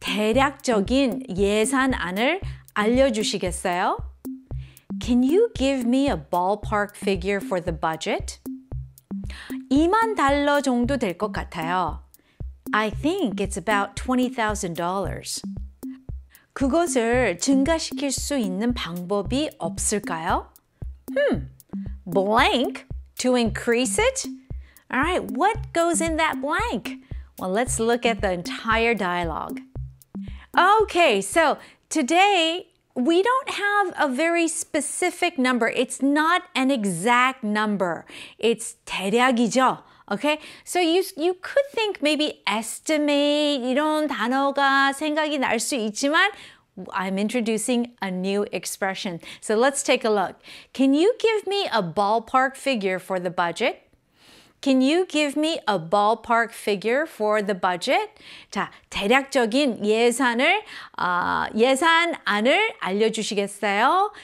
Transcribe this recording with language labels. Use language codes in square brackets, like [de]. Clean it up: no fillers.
[ko] 대략적인 예산안을 알려주시겠어요? [en] Can you give me a ballpark figure for the budget? [ko] 2만 달러 정도 될 것 같아요. [en] I think it's about $20,000. [ko] 그것을 증가시킬 수 있는 방법이 없을까요? [en] Blank to increase it? All right, what goes in that blank? Well, let's look at the entire dialogue. Okay, so today we don't have a very specific number. It's not an exact number. It's [ko] 대략이죠. [en] Okay, so you could think maybe estimate [ko] 이런 단어가 생각이 날 수 있지만 [en] I'm introducing a new expression. So let's take a look. Can you give me a ballpark figure for the budget? Can you give me a ballpark figure for the budget? [ko] 자, 대략적인 예산안을 알려주시겠어요?